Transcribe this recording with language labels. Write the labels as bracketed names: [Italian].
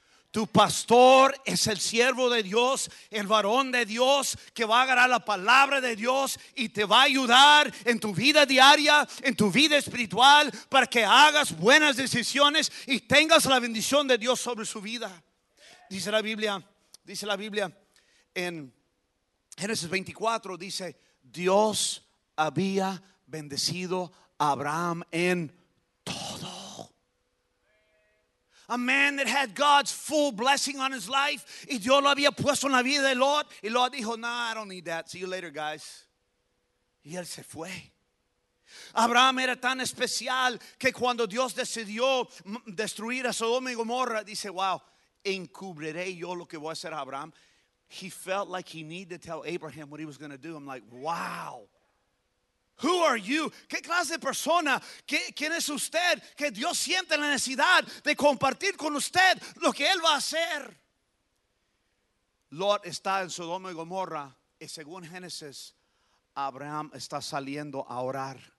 [Spanish] Tu pastor es el siervo de Dios, el varón de Dios que va a agarrar la palabra de Dios y te va a ayudar en tu vida diaria, en tu vida espiritual, para que hagas buenas decisiones y tengas la bendición de Dios sobre su vida. Dice la Biblia en Génesis 24, dice, Dios había bendecido a Abraham en todo. [English] A man that had God's full blessing on his life. [Spanish] Y Dios lo había puesto en la vida de Lot. Y Lot dijo, [English] nah, I don't need that. See you later, guys. [Spanish] Y él se fue. Abraham era tan especial que cuando Dios decidió destruir a Sodoma y Gomorra, dice, wow, encubriré yo lo que voy a hacer a Abraham. [English] He felt like he needed to tell Abraham what he was going to do. I'm like, wow. Who are you? [Spanish] ¿Qué clase de persona? ¿Quién es usted? Que Dios siente la necesidad de compartir con usted lo que Él va a hacer. Lot está en Sodoma y Gomorra. Y según Génesis, Abraham está saliendo a orar.